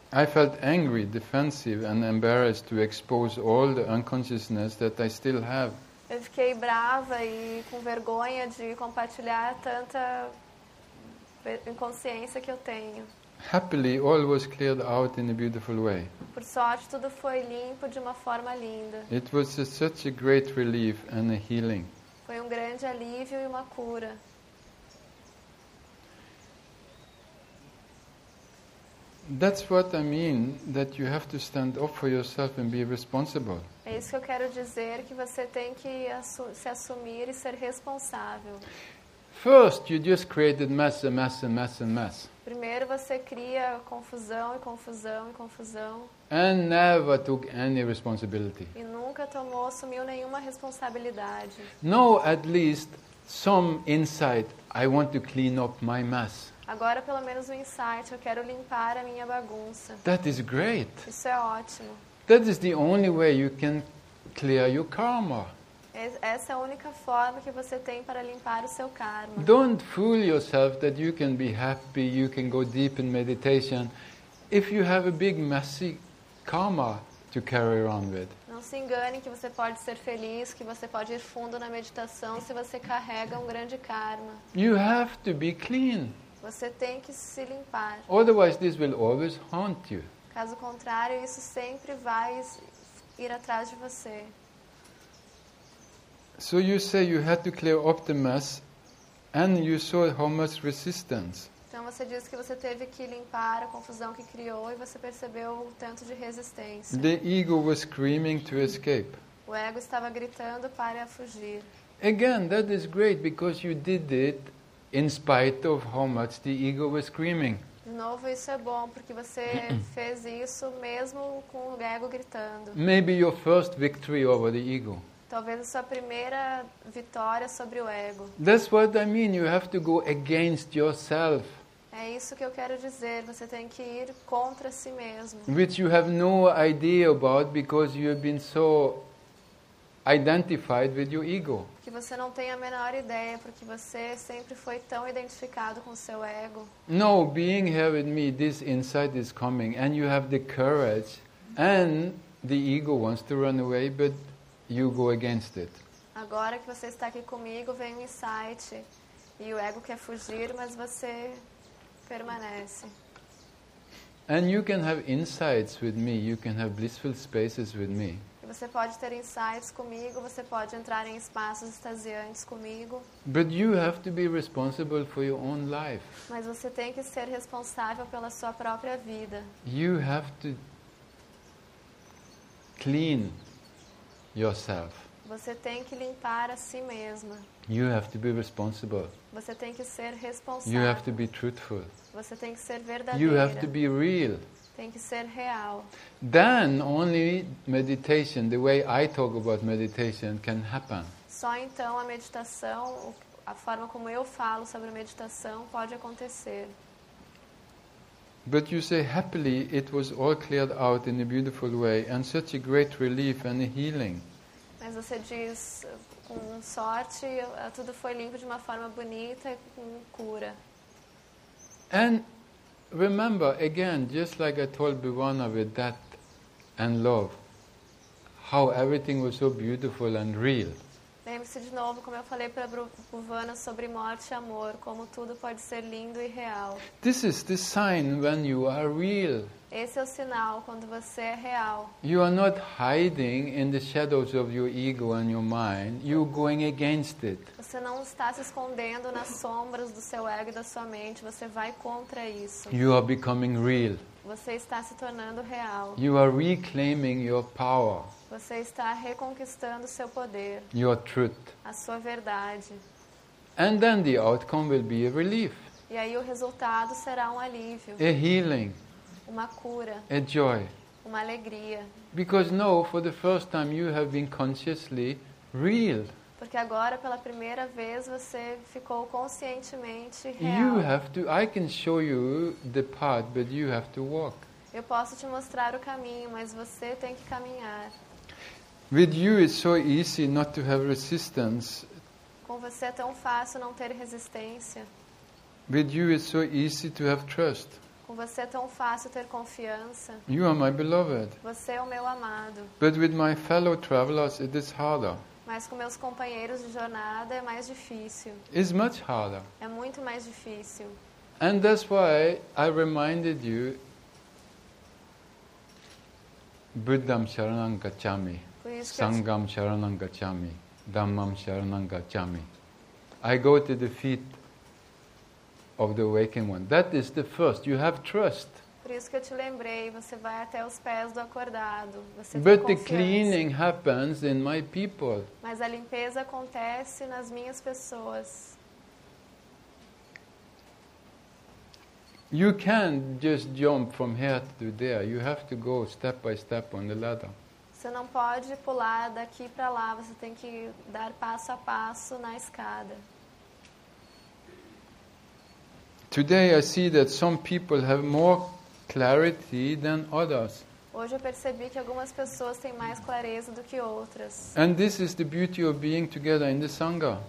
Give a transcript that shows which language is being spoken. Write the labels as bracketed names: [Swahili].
[English] I felt angry, defensive, and embarrassed to expose all the unconsciousness that I still have. [Portuguese] Eu fiquei brava e com vergonha de compartilhar tanta inconsciência que eu tenho. [English] Happily, all was cleared out in a beautiful way. [Portuguese] Por sorte, tudo foi limpo de uma forma linda. [English] It was such a great relief and a healing. [Portuguese] Foi um grande alívio e uma cura. [English] That's what I mean, that you have to stand up for yourself and be responsible. [Portuguese] É isso que eu quero dizer, que você tem que se assumir e ser responsável. [English] First, you just created mess, mess, mess, mess. [Portuguese] Primeiro você cria confusão e confusão e confusão. [English] And never took any responsibility. [Portuguese] E nunca tomou, assumiu nenhuma responsabilidade. [English] No, at least some insight. I want to clean up my mess. [Portuguese] Agora pelo menos um insight, eu quero limpar a minha bagunça. [English] That is great. [Portuguese] Isso é ótimo. [English] That is the only way you can clear your karma. [Portuguese] Essa é a única forma que você tem para limpar o seu karma. [English] Don't fool yourself that you can be happy, you can go deep in meditation if you have a big messy karma to carry around with. [Portuguese] Não se engane que você pode ser feliz, que você pode ir fundo na meditação se você carrega um grande karma. [English] You have to be clean. [Portuguese] Você tem que se limpar. [English] Otherwise this will always haunt you. [Portuguese] Caso contrário, isso sempre vai ir atrás de você. [English] So you say you had to clear up the mess and you saw how much resistance. [Portuguese] Então você disse que você teve que limpar a confusão que criou e você percebeu o tanto de resistência. [English] The ego was screaming to escape. [Portuguese] O ego estava gritando para fugir. [English] Again, that is great because you did it in spite of how much the ego was screaming. [Portuguese] De novo, isso é bom porque você fez isso mesmo com o ego gritando. [English] Maybe your first victory over the ego. [Portuguese] Talvez a sua primeira vitória sobre o ego. [English] That's what I mean. You have to go against yourself. [Portuguese] É isso que eu quero dizer. Você tem que ir contra si mesmo. [English] Which you have no idea about because you have been so identified with your ego. [Portuguese] Que você não tem a menor ideia porque você sempre foi tão identificado com o seu ego. [English] No, being here with me, this insight is coming, and you have the courage, and the ego wants to run away, but you go against it. [Portuguese] Agora que você está aqui comigo, vem um insight e o ego quer fugir, mas você permanece. [English] And you can have insights with me. You can have blissful spaces with me. [Portuguese] E você pode ter insights comigo. Você pode entrar em espaços extasiantes comigo. [English] But you have to be responsible for your own life. [Portuguese] Mas você tem que ser responsável pela sua própria vida. [English] You have to clean yourself. [Portuguese] Você tem que limpar a si mesma. [English] You have to be responsible. [Portuguese] Você tem que ser responsável. [English] You have to be truthful. [Portuguese] Você tem que ser verdadeira. [English] You have to be real. [Portuguese] Tem que ser real. [English] Then only meditation, the way I talk about meditation, can happen. [Portuguese] Só então a meditação, a forma como eu falo sobre meditação, pode acontecer. [English] But you say happily it was all cleared out in a beautiful way and such a great relief and a healing. [Portuguese] Mas você diz com sorte tudo foi limpo de uma forma bonita e com cura. [English] And remember again, just like I told Bhavana with that and love, how everything was so beautiful and real. [Portuguese] Lembre-se de novo, como eu falei para Bhavana, sobre morte e amor, como tudo pode ser lindo e real. [English] This is the sign when you are real. [Portuguese] Esse é o sinal, quando você é real. [English] You are not hiding in the shadows of your ego and your mind, you're going against it. [Portuguese] Você não está se escondendo nas sombras do seu ego e da sua mente, você vai contra isso. [English] You are becoming real. [Portuguese] Você está se tornando real. [English] You are reclaiming your power. [Portuguese] Você está reconquistando seu poder. [English] Your truth. [Portuguese] A sua verdade. [English] And then the outcome will be a relief. [Portuguese] E aí o resultado será um alívio. [English] A healing. [Portuguese] Uma cura. [English] A joy. [Portuguese] Uma alegria. [English] Because now, for the first time, you have been consciously real. [Portuguese] Porque agora, pela primeira vez, você ficou conscientemente real. [English] You have to. I can show you the path, but you have to walk. [Portuguese] Eu posso te mostrar o caminho, mas você tem que caminhar. [English] With you it's so easy not to have resistance. [Portuguese] Com você é tão fácil não ter resistência. [English] With you it's so easy to have trust. [Portuguese] Com você é tão fácil ter confiança. [English] You are my beloved. [Portuguese] Você é o meu amado. [English] But with my fellow travelers it is harder. [Portuguese] Mas com meus companheiros de jornada é mais difícil. [English] It's much harder. [Portuguese] É muito mais difícil. [English] And that's why I reminded you, [Pali] Buddham Sharanam Gacchami, Sangham Sharanam Gacchami, Dhammam Sharanam Gacchami. [English] I go to the feet of the awakened one. That is the first. You have trust. [Portuguese] Por isso que eu te lembrei, você vai até os pés do acordado. Você tem [English] But the cleaning happens in my people. [Portuguese] Mas a limpeza acontece nas minhas pessoas. [English] You can't just jump from here to there. You have to go step by step on the ladder. [Portuguese] Você não pode pular daqui para lá. Você tem que dar passo a passo na escada. [English] Today I see that some people have more clarity than others. [Portuguese] Hoje eu percebi que algumas pessoas têm mais clareza do que outras. [English] And this is the beauty of being together in the sangha.